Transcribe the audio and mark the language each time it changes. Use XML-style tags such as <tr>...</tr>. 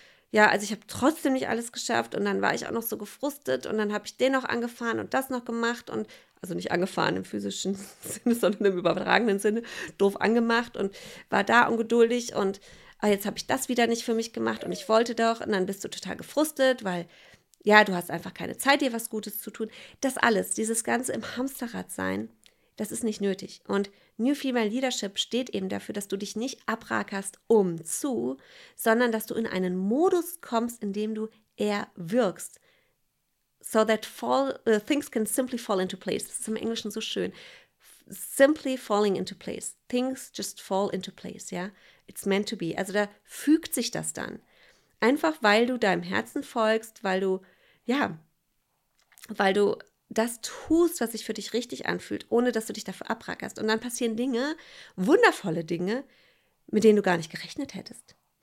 <de>ja, also ich habe trotzdem nicht alles geschafft und dann war ich auch noch so gefrustet und dann habe ich den noch angefahren und das noch gemacht und, also nicht angefahren im physischen Sinne, sondern im übertragenen Sinne, doof angemacht und war da ungeduldig und jetzt habe ich das wieder nicht für mich gemacht und ich wollte doch und dann bist du total gefrustet, weil ja, du hast einfach keine Zeit, dir was Gutes zu tun. Das alles, dieses Ganze im Hamsterrad sein, das ist nicht nötig. Und New Female Leadership steht eben dafür, dass du dich nicht abrackerst um zu, sondern dass du in einen Modus kommst, in dem du eher wirkst.</de> <en>So that things can simply fall into place.</en> <de>Das ist im Englischen so schön.</de> <en>Simply falling into place. Things just fall into place, ja. Yeah? It's meant to be.</en> <de>Also da fügt sich das dann. Einfach weil du deinem Herzen folgst, weil du, ja, weil du das tust, was sich für dich richtig anfühlt, ohne dass du dich dafür abrackerst. Und dann passieren Dinge, wundervolle Dinge, mit denen du gar nicht gerechnet hättest.</de>